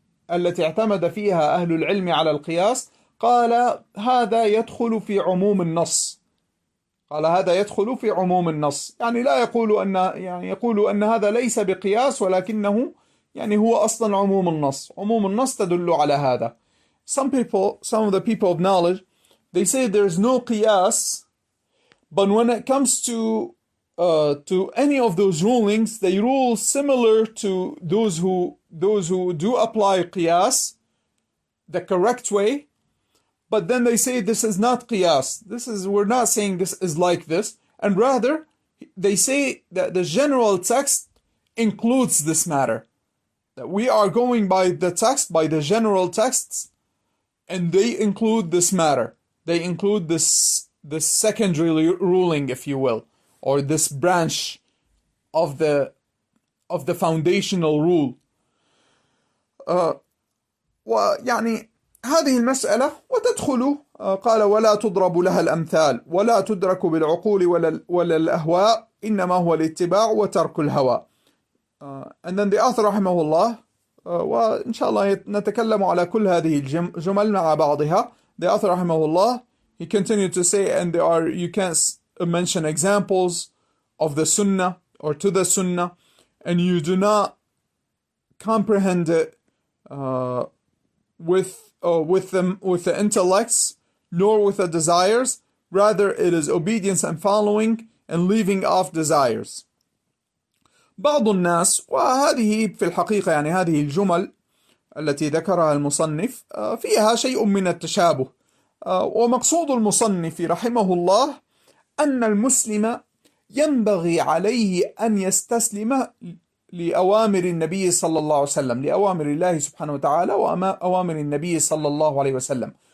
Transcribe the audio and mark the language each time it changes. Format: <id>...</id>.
<ar>التي اعتمد فيها أهل العلم على القياس قال هذا يدخل في عموم النص، قال هذا يدخل في عموم النص، يعني لا يقول أن يعني يقول أن هذا ليس بقياس ولكنه يعني هو أصلا عموم النص، عموم النص تدل على هذا.</ar> <en>Some of the people of knowledge, they say there is no qiyas, but when it comes to any of those rulings, they rule similar to those who do apply qiyas the correct way. But then they say this is not qiyas. This is, we're not saying this is like this. And rather, they say that the general text includes this matter. That we are going by the text, by the general texts, and they include this matter. They include this secondary ruling, if you will, or this branch of the foundational rule.</en> <ar>ويعني هذه المسألة وتدخل قال ولا تضرب لها الأمثال ولا تدرك بالعقول ولا الأهواء إنما هو الاتباع وترك الهوى.</ar> <en>And then the author</en> <ar>رحمه الله وإن شاء الله نتكلم على كل هذه الجمل مع بعضها.</ar> <en>The author رحمه الله, he continued to say, and there are, you can't mention examples of the Sunnah or to the Sunnah, and you do not comprehend it with the intellects, nor with the desires. Rather, it is obedience and following and leaving off desires.</en> <ar>بعض الناس, وهذه في الحقيقة يعني هذه الجمل التي ذكرها المصنف فيها شيء من التشابه. ومقصود المصنف رحمه الله أن المسلم ينبغي عليه أن يستسلم لأوامر النبي صلى الله عليه وسلم، لأوامر الله سبحانه وتعالى وأوامر النبي صلى الله عليه وسلم.</ar>